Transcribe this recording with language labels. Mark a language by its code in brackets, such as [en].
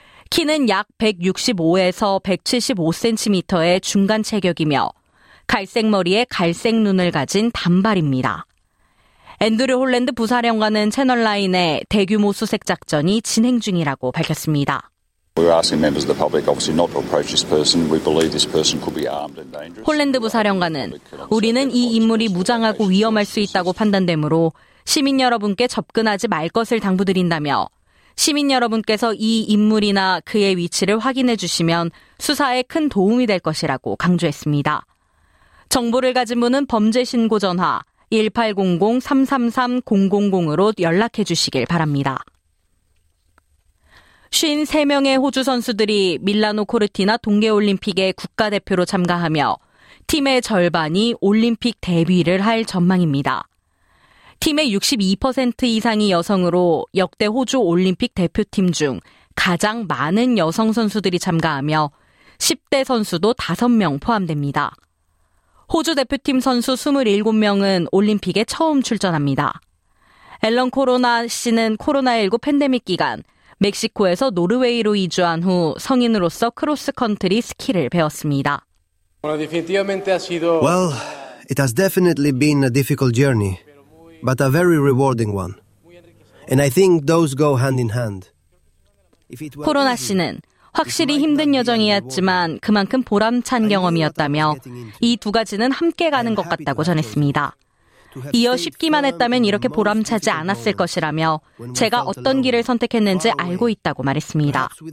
[ko] 키는 약 165에서 175cm의 중간 체격이며 갈색 머리에 갈색 눈을 가진 단발입니다. 앤드류 홀랜드 부사령관은 채널9에 대규모 수색 작전이 진행 중이라고 밝혔습니다. [en] We're asking members of the public obviously not to approach this person. We believe this person could be armed and dangerous. [ko] 홀랜드 부사령관은 우리는 이 인물이 무장하고 위험할 수 있다고 판단되므로 시민 여러분께 접근하지 말 것을 당부드린다며 시민 여러분께서 이 인물이나 그의 위치를 확인해 주시면 수사에 큰 도움이 될 것이라고 강조했습니다. 정보를 가진 분은 범죄 신고 전화 1800-333-000으로 연락해 주시길 바랍니다. 53명의 호주 선수들이 밀라노 코르티나 동계올림픽에 국가대표로 참가하며 팀의 절반이 올림픽 데뷔를 할 전망입니다. 팀의 62% 이상이 여성으로 역대 호주 올림픽 대표팀 중 가장 많은 여성 선수들이 참가하며 10대 선수도 5명 포함됩니다. 호주 대표팀 선수 27명은 올림픽에 처음 출전합니다. 앨런 코로나 씨는 코로나19 팬데믹 기간 멕시코에서 노르웨이로 이주한 후 성인으로서 크로스컨트리 스키를 배웠습니다. [en] Well, it has definitely been a difficult journey, but a very rewarding one. And I think those go hand in hand. [ko] 코로나 씨는 확실히 힘든 여정이었지만 그만큼 보람찬 경험이었다며 이 두 가지는 함께 가는 것 같다고 전했습니다. 이어 쉽기만 했다면 이렇게 보람차지 않았을 것이라며 제가 어떤 길을 선택했는지 알고 있다고 말했습니다.